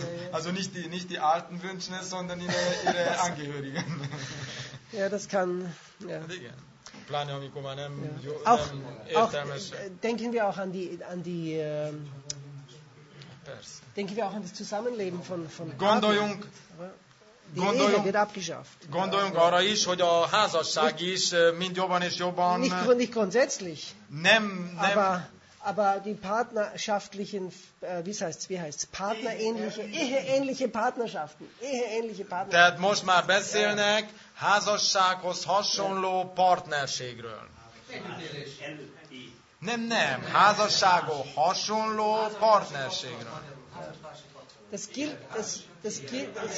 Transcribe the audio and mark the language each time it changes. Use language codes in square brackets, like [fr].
[de] Also nicht die alten Wünschen, sondern ihre Angehörigen. Ja, das kann. Ja. [hu] Plane, amikor már nem jó, [de] auch, [hu] nem értelmes. [de] Auch, denken wir auch an die. Denken wir auch an das Zusammenleben von. [hu] Gondoljunk. [de] Die Ehe wird abgeschafft. [hu] Gondoljunk arra is, hogy a házasság is mind jobban és jobban. [de] Nicht grundsätzlich. [hu] Nem. [de] Aber die partnerschaftlichen, wie heißt's, eheähnliche Partnerschaften. [hu] Tehát most már beszélnek házassághoz hasonló partnerségről. Nem, házassághoz hasonló partnerségről. [de] Das gilt,